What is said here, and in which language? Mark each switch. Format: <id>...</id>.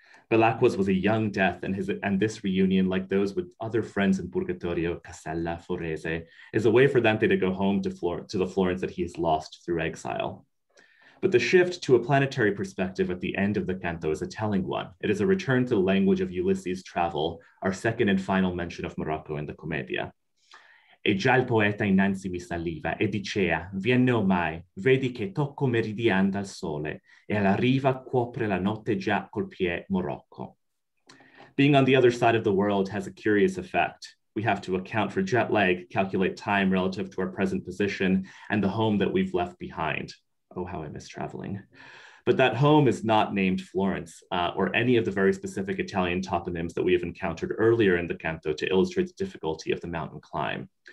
<en>Bellacqua's was a young death, and this reunion, like those with other friends in Purgatorio, Casella, Forese, is a way for Dante to go home to the Florence that he has lost through exile. But the shift to a planetary perspective at the end of the canto is a telling one. It is a return to the language of Ulysses' travel, our second and final mention of Morocco in the Commedia.</en> <it>E già il poeta innanzi mi saliva, e dicea, vienne ormai, vedi che tocco meridian dal sole, e alla riva cuopre la notte già col pie Morocco.</it> <en>Being on the other side of the world has a curious effect. We have to account for jet lag, calculate time relative to our present position, and the home that we've left behind. Oh, how I miss traveling. But that home is not named Florence or any of the very specific Italian toponyms that we have encountered earlier in the canto to illustrate the difficulty of the mountain climb.</en>